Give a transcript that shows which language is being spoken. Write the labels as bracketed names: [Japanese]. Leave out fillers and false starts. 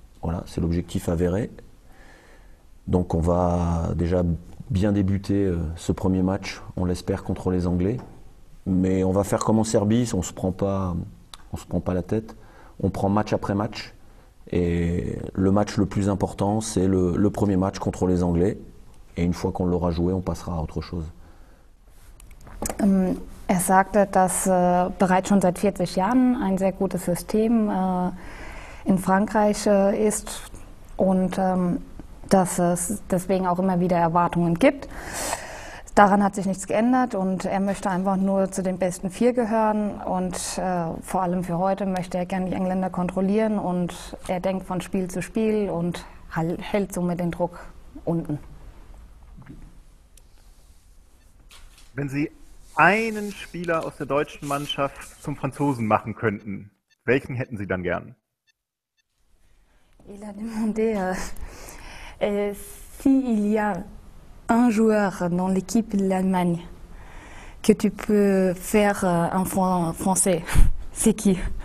[French] Voilà, c'est l'objectif avéré. Donc, on va déjà bien débuter ce premier match, on l'espère, contre les Anglais. Mais on va faire comme en Serbie, on se prend pas la tête. On prend match après match. Et le match le plus important, c'est le premier match contre les Anglais. Et une fois qu'on l'aura joué, on passera à autre chose. [German] Er sagte, dass bereits schon seit 40 Jahren ein sehr gutes System in Frankreich ist und dass es deswegen auch immer wieder Erwartungen gibt. daran hat sich nichts geändert und er möchte einfach nur zu den besten vier gehören und vor allem für heute möchte er gerne die Engländer kontrollieren und er denkt von Spiel zu Spiel und hält somit den Druck unten. Wenn Sie einen Spieler aus der deutschen Mannschaft zum Franzosen machen könnten, welchen hätten Sie dann gern? [French] Il a demandé s'il y a un joueur dans l'équipe de l'Allemagne que tu peux faire en français, c'est qui?